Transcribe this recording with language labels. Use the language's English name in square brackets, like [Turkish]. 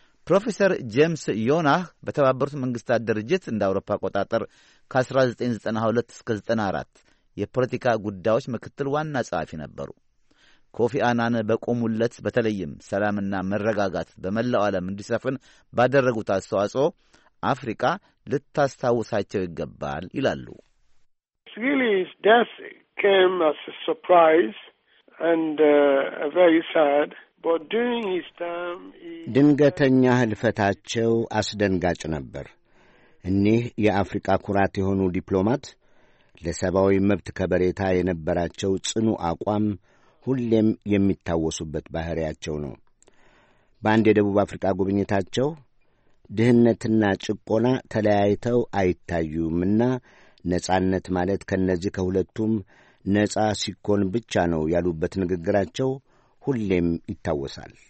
[Amharic] ፕሮፌሰር ጄምስ ዮናህ በተባበሩት መንግስታት ድርጅት እንደ አውሮፓ ቁጣጣር ከ1992 እስከ 94 የፖለቲካ ጉዳዮች ምክትል ዋና ጸሐፊ ነበሩ። ኮፊ አናን በቆሙለት በተለይም ሰላምና መረጋጋት በመላው ዓለም እንዲሰፍን ባደረጉት አስተዋጽኦ አፍሪካ ልታስታውሳቸው ይገባል ይላሉ። [English] Swili's death came as a surprise and a very sad, but during his time [Amharic] ድንገተኛ ህልፈታቸው አስደንጋጭ ነበር። እኒህ የአፍሪካ ኩራት የሆኑ ዲፕሎማት ለሰባዊ መብት ከበሬታ የነበራቸው ጽኑ አቋም ሁሌም የሚታወሱበት ባህሪያቸው ነው። በአንድ የደቡብ አፍሪካ ጉብኝታቸው ድህነትና ጭቆና ተለያይተው አይታዩምና ነጻነት ማለት ከነዚህ ከሁለቱም ነጻ ሲኮን ብቻ ነው ያሉበት ንግግራቸው ሁሌም ይታወሳል።